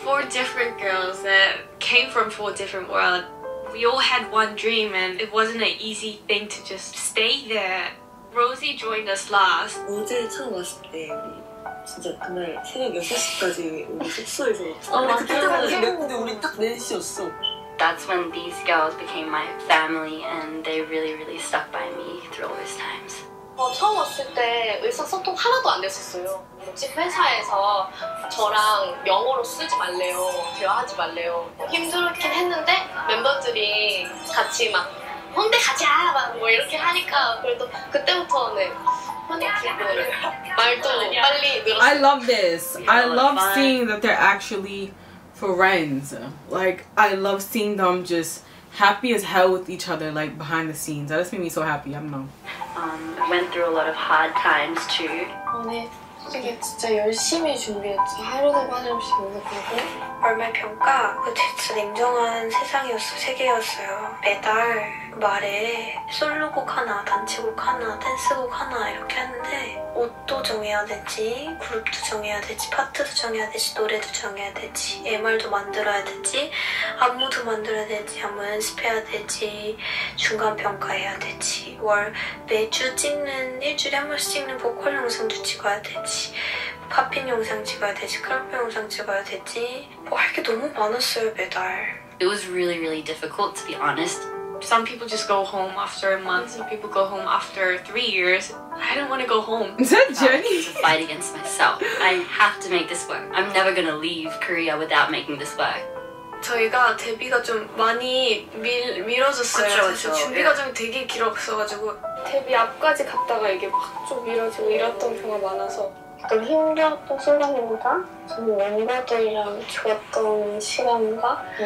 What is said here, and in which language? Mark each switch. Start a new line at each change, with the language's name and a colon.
English: Different girls that came from four different worlds. We all had one dream, and it wasn't an easy thing to just stay there. Rosie joined us last.
Korean: 어제 처음 왔을 때 진짜 그날 새벽 6시까지 우리 숙소에서. 아 맞아. 그때 당시 몇 우리 딱 4시였어.
English: That's when these girls became my family, and they really, really stuck by me through all those times.
Korean: 처음 왔을 때 의사 소통 하나도 안 됐었어요. 집 회사에서 저랑 영어로 쓰지 말래요, 대화하지 말래요. 힘들긴 했는데 멤버들이 같이 막 홍대 가자 막 뭐 이렇게 하니까 그래도 그때부터는 편해지고 말도 빨리 늘었어요.
English: I love this. I love seeing that they're actually friends. Like, I love seeing them just happy as hell with each other, like behind the scenes. That just made me so happy. I don't know. Went through a lot of hard times too.
Korean: 되게 진짜 열심히 준비했지. 하루도 빠짐없이 노력하고. 얼마 평가? 그 대체 냉정한 세상이었어, 세계였어요. 매달 말에 솔로곡 하나, 단체곡 하나, 댄스곡 하나 이렇게 했는데 옷도 정해야 되지, 그룹도 정해야 되지, 파트도 정해야 되지, 노래도 정해야 되지, MR도 만들어야 되지, 안무도 만들어야 되지, 안무 연습해야 되지, 중간 평가해야 되지, 월 매주 찍는, 일주일에 한 번씩 찍는 보컬 영상도 찍어야 되지, 팝핀 영상 찍어야 되지, 크로플 영상 찍어야 되지. 뭐 할 게 너무 많았어요, 매달.
English: It was really, really difficult, to be honest. Some people just go home after a month. Some people go home after 3 years. I don't want to go home. Is that Jenny? To fight against myself. I have to make this work. I'm never going to leave Korea without making this work.
Korean: 저희가 데뷔가 좀 많이 미뤄졌어요. 그렇죠, 준비가 좀 되게 길었어가지고 데뷔 앞까지 갔다가 이게 확 좀 미뤄지고 이랬던 경우가 많아서 조금 힘들었던 순간인가? 좀 멤버들이랑 좋았던 시간인가?